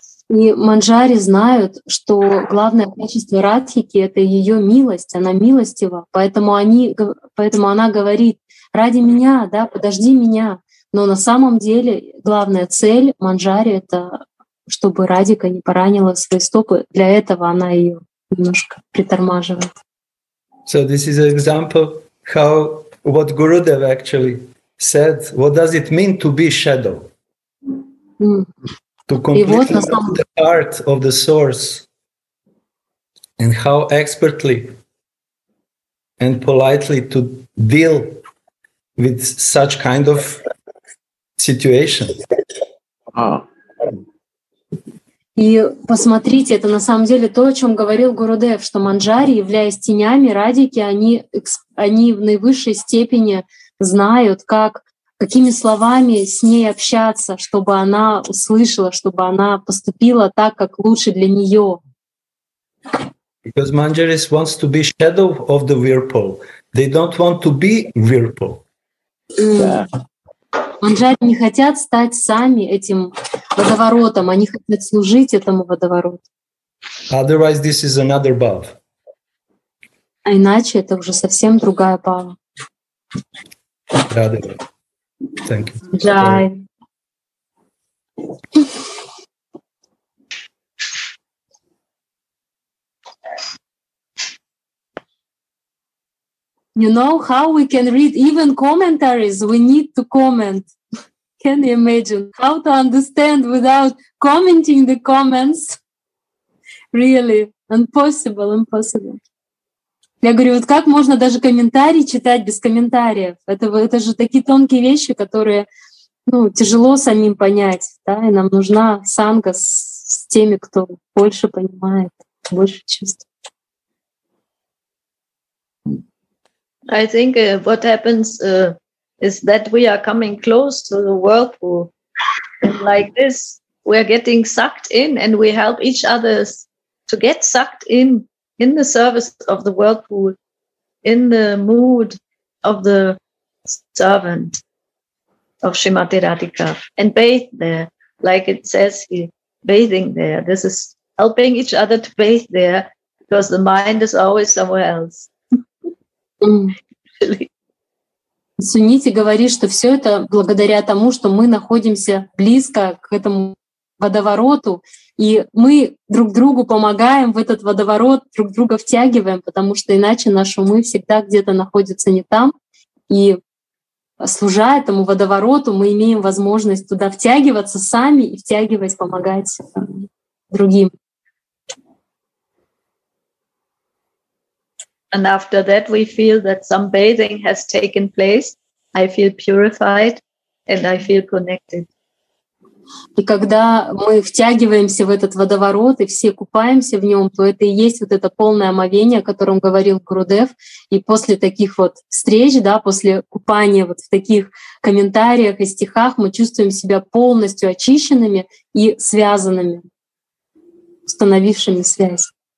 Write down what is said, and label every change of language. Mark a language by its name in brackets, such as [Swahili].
[Russian] И Манджари знают, что главное качество Радхики — это ее милость, она милостива, поэтому она говорит «ради меня, да, подожди меня». Но на самом деле главная цель Манджари — это чтобы Радика не поранила свои стопы. Для этого она ее немножко притормаживает. [English] So this is an example how what Gurudev actually said, what does it mean to be shadow? To completely know the heart of the source and how expertly and politely to deal with such kind of situation. [Russian] И посмотрите, это на самом деле то, о чем говорил Гурудев, что Манджари, являясь тенями Радики, они в наивысшей степени знают, как какими словами с ней общаться, чтобы она услышала, чтобы она поступила так, как лучше для нее. [English] Because Manjari wants to be shadow of the Whirlpool. They don't want to be Whirlpool. [Russian] Манджари не хотят стать сами этим водоворотом, они хотят служить этому водовороту. [English] Otherwise, this is another bhav. [Russian] А иначе это уже совсем другая бхава. [English] Радхи. Thank you. Jai. You know how we can read even commentaries? We need to comment. Can you imagine how to understand without commenting the comments? Really, impossible, impossible. [Russian] Я говорю, вот как можно даже комментарии читать без комментариев? Это же такие тонкие вещи, которые ну, тяжело самим понять. Да? И нам нужна санга с теми, кто больше понимает, больше чувствует. [English] I think what happens is that we are coming close to the whirlpool. And like this, we are getting sucked in and we help each other to get sucked in. In the service of the whirlpool, in the mood of the servant of Srimati Radhika, and bathe there, like it says here, bathing there. This is helping each other to bathe there, because the mind is always somewhere else. Mm. [Russian] Суннити говорит, что все это благодаря тому, что мы находимся близко к этому водовороту, и мы друг другу помогаем в этот водоворот, друг друга втягиваем, потому что иначе наш умы всегда где-то находится не там. И служа этому водовороту, мы имеем возможность туда втягиваться сами и втягивать, помогать другим. [English] And after that we feel that some bathing has taken place. I feel purified and I feel connected. [Russian] И когда мы втягиваемся в этот водоворот и все купаемся в нем, то это и есть вот это полное омовение, о котором говорил Гурудев. И после таких вот встреч, да, после купания вот в таких комментариях и стихах, мы чувствуем себя полностью очищенными и связанными, установившими связь.